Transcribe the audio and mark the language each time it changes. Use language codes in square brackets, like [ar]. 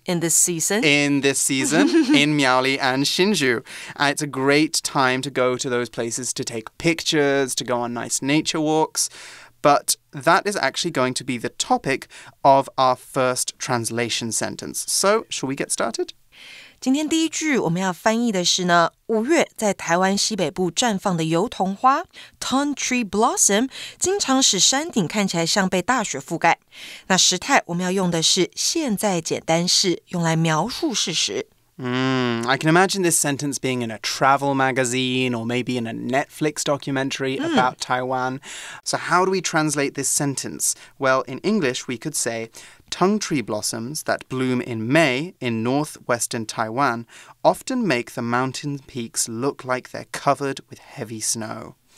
[en] In this season. In this season, in Miaoli and Hsinchu. It's a great time to go to those places to take pictures, to go on nice nature walks. But that is actually going to be the topic of our first translation sentence. So, shall we get started? [zh] 今天第一句我们要翻译的是呢五月在台湾西北部绽放的油桐花 Tone Tree Blossom 经常使山顶看起来像被大雪覆盖那时态我们要用的是现在简单式用来描述事实 [en] I can imagine this sentence being in a travel magazine or maybe in a Netflix documentary about Taiwan. So how do we translate this sentence? Well, in English, we could say, Tongue tree blossoms that bloom in May in northwestern Taiwan often make the mountain peaks look like they're covered with heavy snow.